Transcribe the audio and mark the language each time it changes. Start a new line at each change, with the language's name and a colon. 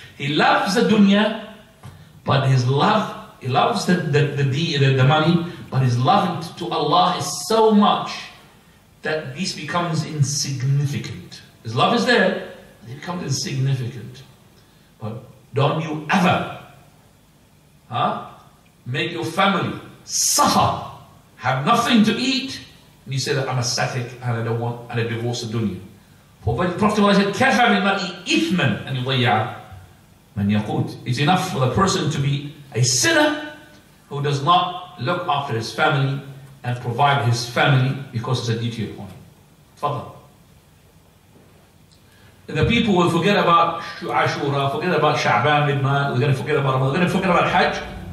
English: He loves the dunya, but his love, he loves the money, but his love to Allah is so much that this becomes insignificant. His love is there, but it becomes insignificant. But don't you ever, make your family suffer, have nothing to eat, and you say that I'm ascetic and I don't want, and I divorce the dunya. But the Prophet said,
Arabic: كَفَى بِالْمَرْءِ إِثْمًا أَنْ يُضَيَّعَ مَنْ يَقُوتْ.
English: It's enough for the person to be a sinner who does not look after his family and provide his family because it's a duty upon him. Father. And the people will forget about Ashura, forget about Sha'ban Midnight, they're going to forget about Ramadan, they're going to forget about Hajj.